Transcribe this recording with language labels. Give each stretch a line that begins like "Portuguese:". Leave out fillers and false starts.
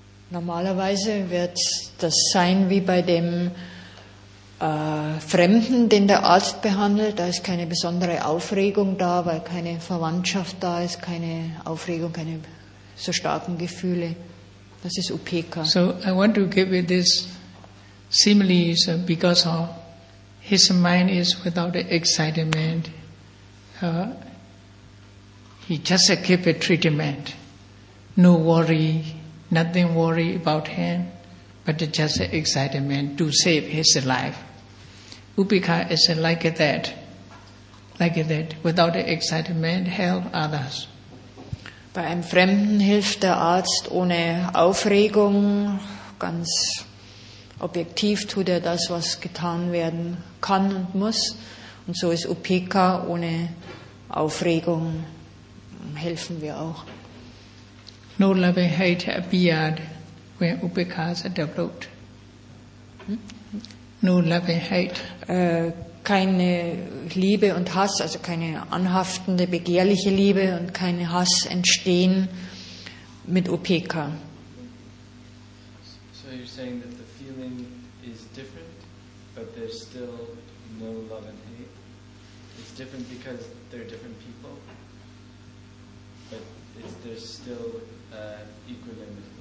German: Normalerweise wird das sein wie bei dem Fremden, den der Arzt behandelt. Da ist keine besondere Aufregung da, weil keine Verwandtschaft da ist, keine Aufregung, keine so starken Gefühle. Das ist Upekkha.
English: So I want to give you this simile because of his mind is without the excitement. He just keep a treatment, no worry. Nothing worry about him, but just excitement to save his life. Upekkha is like that, without the excitement, help others.
German: Bei einem Fremden hilft der Arzt ohne Aufregung, ganz objektiv tut er das, was getan werden kann und muss. Und so ist Upekkha ohne Aufregung, helfen wir auch.
English: No loving hate appeared when Upekkha is developed. No loving hate.
German: Keine Liebe und Hass, also keine anhaftende, begehrliche Liebe und keine Hass entstehen mit Upekkha.
English: So you're saying that the feeling is different, but there's still no love and hate. It's different because they're different people, but there's still equanimity.